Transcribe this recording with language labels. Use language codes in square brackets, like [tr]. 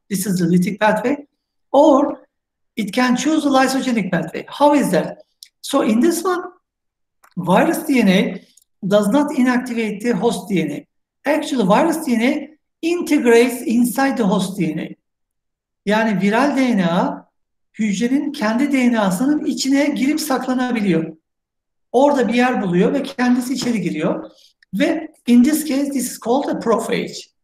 [en] This is the lytic pathway. Or it can choose the lysogenic pathway. How is that? So in this one, virus DNA does not inactivate the host DNA. Actually, virus DNA integrates inside the host DNA. [tr] Yani viral DNA hücrenin kendi DNA'sının içine girip saklanabiliyor. Orada bir yer buluyor ve kendisi içeri giriyor. [en] Ve in this case, this is called a prophage.